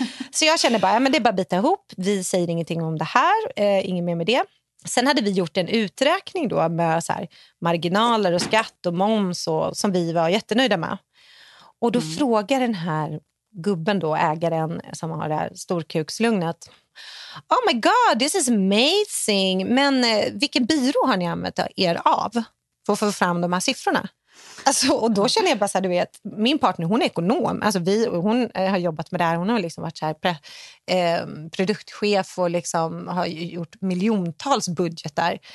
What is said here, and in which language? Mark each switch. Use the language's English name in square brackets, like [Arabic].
[Swedish] Så jag kände bara, ja, men det är bara bita ihop. Vi säger ingenting om det här, inget mer med det. Sen hade vi gjort en uträkning då med så här, marginaler och skatt och moms och, som vi var jättenöjda med. Och då frågar den här gubben då, ägaren som har det här storkukslugnet. [English] Oh my god, this is amazing. [Swedish] Men vilken byrå har ni använt er av för att få fram de här siffrorna? Alltså, och då känner jag bara så här, du vet, min partner, hon är ekonom. Alltså hon har jobbat med det här, hon har liksom varit så här produktchef och liksom har gjort miljontals budgetar.